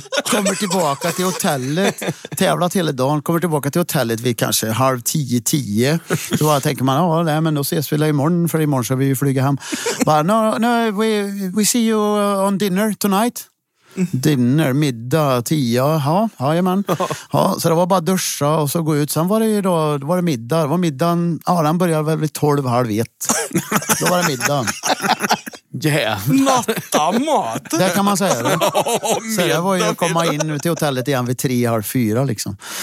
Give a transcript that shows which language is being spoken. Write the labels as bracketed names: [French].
[Swedish] Kommer tillbaka till hotellet, tävlat hela dagen, kommer tillbaka till hotellet vid kanske 9:30. Så bara tänker man, nej, men då ses vi imorgon, för imorgon ska vi ju flyga hem. Bara, [English] no, we see you on dinner tonight. [Swedish] Dinner, middag, 10, jajamän. Ja, så det var bara duscha och så gå ut. Sen var det ju då, var det middag. Det var middagen, den började väl vid 12:30. Då var det middagen. Natta mat. Det kan man säga. Så jag var ju att komma in till hotellet igen vid 3:30 liksom.